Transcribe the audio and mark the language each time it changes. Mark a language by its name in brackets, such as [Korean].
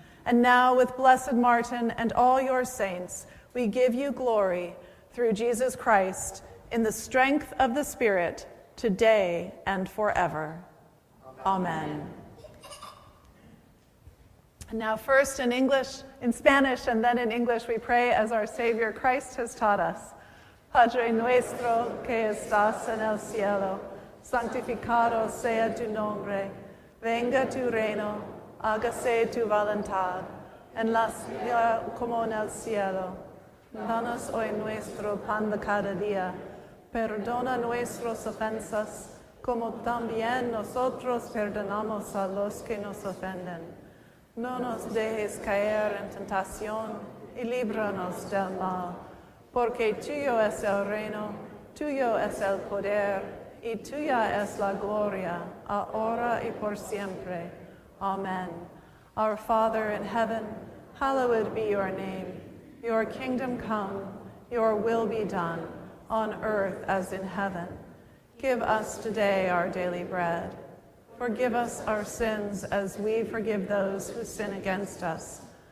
[English] And now, with Blessed Martin and all your saints, we give you glory through Jesus Christ in the strength of the Spirit, today and forever. Amen. And now first in English, in Spanish, and then in English, we pray as our Savior Christ has taught us. [Spanish] Padre nuestro que estás en el cielo, santificado sea tu nombre, venga tu reino, hágase tu voluntad, en la tierra como en el cielo. Danos hoy nuestro pan de cada día, perdona nuestras ofensas, como también nosotros perdonamos a los que nos ofenden. No nos dejes caer en tentación y líbranos del mal, porque tuyo es el reino, tuyo es el poder y tuya es la gloria, ahora y por siempre. [English] Amen. Our Father in heaven, hallowed be your name. Your kingdom come, your will be done, on earth as in heaven. Give us today our daily bread. Forgive us our sins as we forgive those who sin against us.